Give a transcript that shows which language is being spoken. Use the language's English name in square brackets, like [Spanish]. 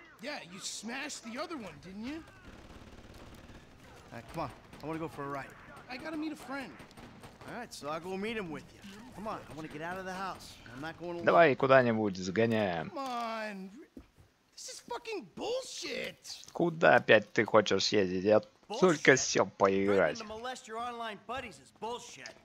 [English] Yeah, you smashed the other one, didn't you? Alright, come on. I want to go for a ride. I gotta meet a friend. Alright, so I'll go meet him with you. Come on, I want to get out of the house. I'm not going alone. [Russian] Давай куда-нибудь сгоняем. [English] Come on. This is fucking bullshit. [Russian] Куда опять ты хочешь ездить? Я только сел поиграть. [English] Threatening to molest your online buddies is bullshit.